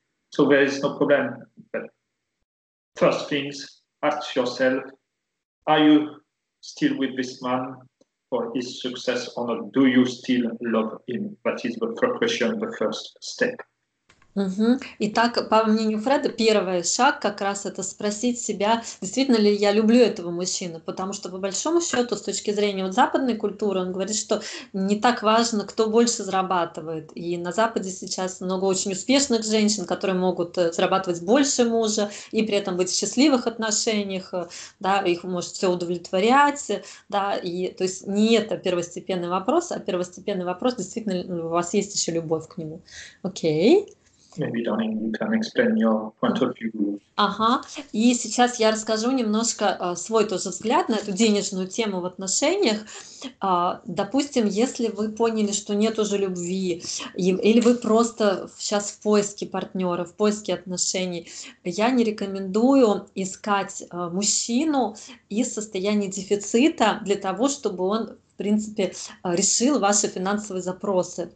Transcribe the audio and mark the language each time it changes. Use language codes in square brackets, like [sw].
[en] So there is no problem. But first things, ask yourself, are you still with this man? For his success or not, do you still love him? That is the first question, the first step. [ru] Итак, по мнению Фреда, первый шаг как раз это спросить себя, действительно ли я люблю этого мужчину, потому что по большому счету, с точки зрения вот западной культуры, он говорит, что не так важно, кто больше зарабатывает. И на Западе сейчас много очень успешных женщин, которые могут зарабатывать больше мужа и при этом быть в счастливых отношениях, да, их может все удовлетворять. Да, и, то есть не это первостепенный вопрос, а первостепенный вопрос, действительно ли у вас есть еще любовь к нему. Окей. [en] Maybe Donnie, you can explain your point of view. [ru] Ага, и сейчас я расскажу немножко свой тоже взгляд на эту денежную тему в отношениях. Допустим, если вы поняли, что нет уже любви, или вы просто сейчас в поиске партнера, в поиске отношений, я не рекомендую искать мужчину из состояния дефицита для того, чтобы он, в принципе, решил ваши финансовые запросы.